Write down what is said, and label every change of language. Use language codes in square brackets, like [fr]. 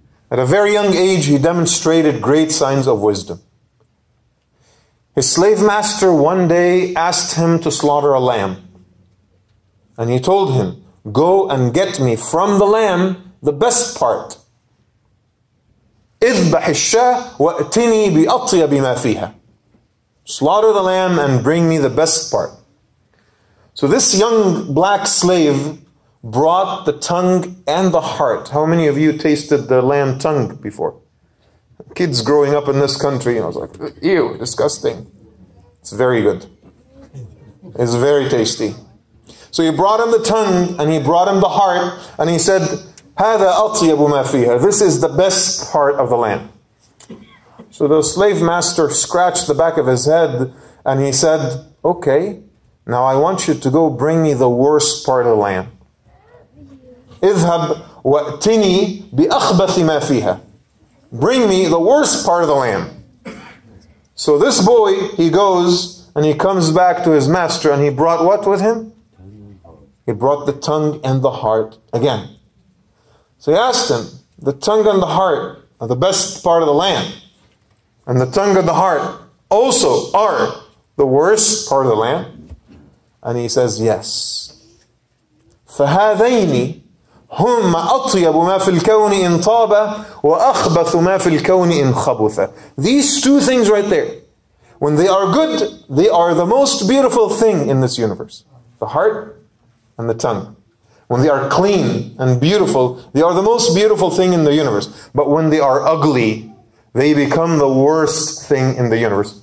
[en] At a very young age, he demonstrated great signs of wisdom. His slave master one day asked him to slaughter a lamb. And he told him, "Go and get me from the lamb the best part. [ar] اذبح الشاة واتني بأطيب ما فيها." [en] Slaughter the lamb and bring me the best part. So this young black slave brought the tongue and the heart. How many of you tasted the lamb tongue before? Kids growing up in this country, you know, I was like, ew, disgusting. It's very good. It's very tasty. So he brought him the tongue and he brought him the heart and he said, [ar] "Hada atyabu ma fiha." [en] This is the best part of the lamb. So the slave master scratched the back of his head and he said, "Okay, now I want you to go bring me the worst part of the lamb. [ar] اذهب واتني بأخبث ما فيها." [en] Bring me the worst part of the lamb. So this boy, he goes and he comes back to his master and he brought what with him? He brought the tongue and the heart again. So he asked him, the tongue and the heart are the best part of the lamb. And the tongue and the heart also are the worst part of the lamb. And he says, yes. [ar] فهذيني هم أطيب ما في الكون إن طاب وأخبث ما في الكون إن خبث. [en] These two things right there, when they are good, they are the most beautiful thing in this universe. The heart and the tongue. When they are clean and beautiful, they are the most beautiful thing in the universe. But when they are ugly, they become the worst thing in the universe.